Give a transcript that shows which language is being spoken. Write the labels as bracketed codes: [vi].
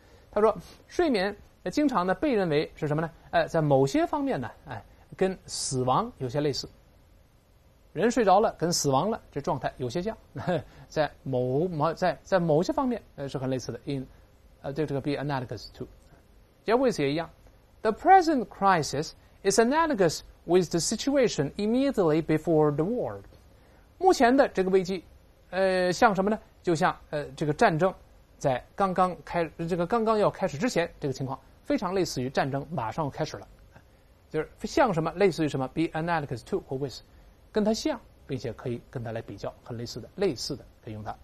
[zh] 他说，睡眠经常呢被认为是什么呢？在某些方面呢，跟死亡有些类似。人睡着了跟死亡了，这状态有些像，在某些方面是很类似的。这个 [en] be analogous to， [zh] 结尾也一样。 [en] The present crisis is analogous with the situation immediately before the war。 [zh] 目前的这个危机，像什么呢？就像这个战争在刚刚开，这个刚刚要开始之前，这个情况非常类似于战争马上要开始了，就是像什么类似于什么 ， [en] be analogous to [zh] 或 with， 跟它像，并且可以跟它来比较，很类似的，类似的可以用它。